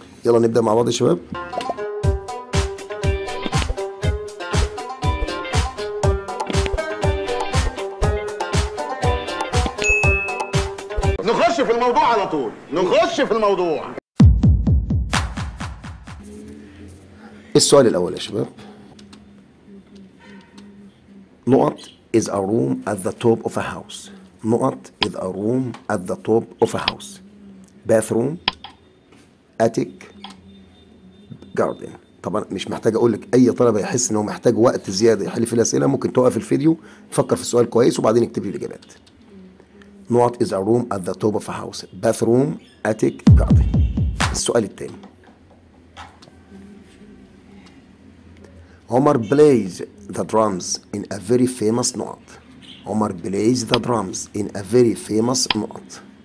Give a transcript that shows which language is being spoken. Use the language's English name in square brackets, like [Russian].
[Arabic] يلا نبدا مع بعض يا شباب. نخش في الموضوع على طول، نخش في الموضوع. السؤال الأول يا شباب، نقط [English] is a room at the top of a house. نقط is a room at the top of a house. bathroom, attic, garden. [Arabic] طبعا مش محتاج أقولك أي طلبة يحس إنه محتاج وقت زيادة يحل في الأسئلة ممكن توقف الفيديو فكر في السؤال كويس وبعدين اكتب لي الإجابات. [English] نقط is a room at the top of a house. bathroom, attic, garden. [Arabic] السؤال الثاني، [English] عمر plays the drums in a very famous note. عمر plays the drums in a very famous note.